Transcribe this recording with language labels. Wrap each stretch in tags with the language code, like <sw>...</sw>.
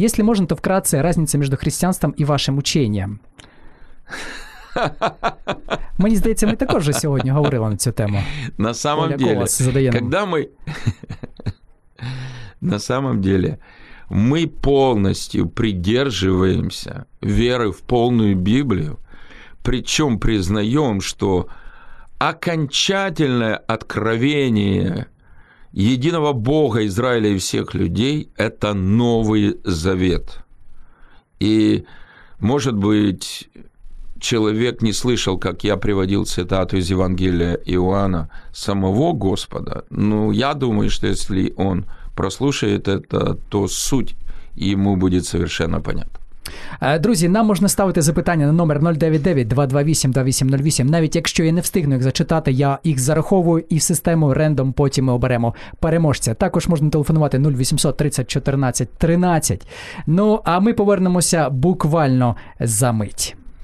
<ru>Если можно, то вкратце разница между христианством и вашим учением.</ru> <uk>Мені здається, ми також вже сьогодні говорили на цю тему.</uk> <ru>На самом деле, когда мы... на самом деле, мы полностью придерживаемся веры в полную Библию, причем признаем, что окончательное откровение единого Бога Израиля и всех людей – это Новый Завет. И, может быть, человек не слышал, как я приводил цитату из Евангелия Иоанна самого Господа, ну, я думаю, что если он прослушает это, то суть ему будет совершенно понятна.</ru> <uk>Друзі, нам можна ставити запитання на номер 099-228-2808. Навіть якщо я не встигну їх зачитати, я їх зараховую і в систему рендом потім оберемо переможця. Також можна телефонувати 0800-30-14-13. Ну, а ми повернемося буквально за мить.</uk>